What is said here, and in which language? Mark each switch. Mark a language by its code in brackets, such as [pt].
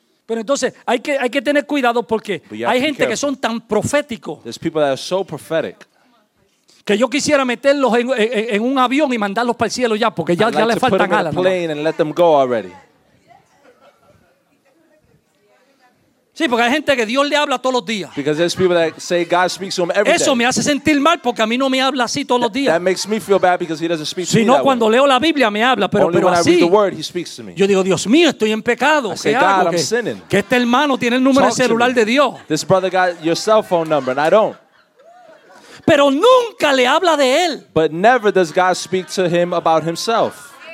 [es] Pero entonces hay que tener cuidado porque hay gente que son tan proféticos. [en] There's people that are so prophetic. [es] Que yo quisiera meterlos en un avión y mandarlos para el cielo ya porque ya le faltan alas. [en] I'd like to put them in a plane and let them go already. [es] Sí, porque hay gente que Dios le habla todos los días. [en] Because there's people that say God speaks to them every day. [es] Eso me hace sentir mal porque a mí no me habla así todos los días. [en] That makes me feel bad because he doesn't speak to me that way. [es] Si no, cuando leo la Biblia me habla, pero así. [en] Only when I read the word, he speaks to me. [es] Yo digo, Dios mío, estoy en pecado. [en] I say, God, I'm sinning. [es] Que este hermano tiene el número de celular de Dios. [en] This brother got your cell phone number and I don't. [es] Pero nunca le habla de él. [en] But never does God speak to him about himself.